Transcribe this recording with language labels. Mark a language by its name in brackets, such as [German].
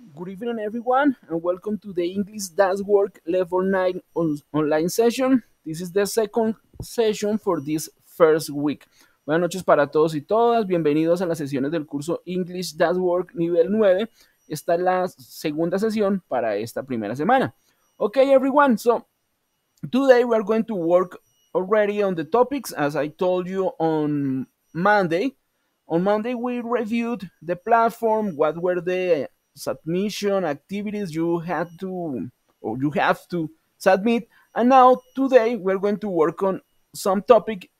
[English] Good evening, everyone, and welcome to the English Dance Work Level 9 online session. This is the second session for this first week. [Spanish] Buenas noches para todos y todas. Bienvenidos a las sesiones del curso English Dance Work Nivel 9. Esta es la segunda sesión para esta primera semana. [English] Okay, everyone, so today we are going to work already on the topics, as I told you on Monday. On Monday, we reviewed the platform, what were the submission activities you had to or you have to submit, and now today we're going to work on some topic.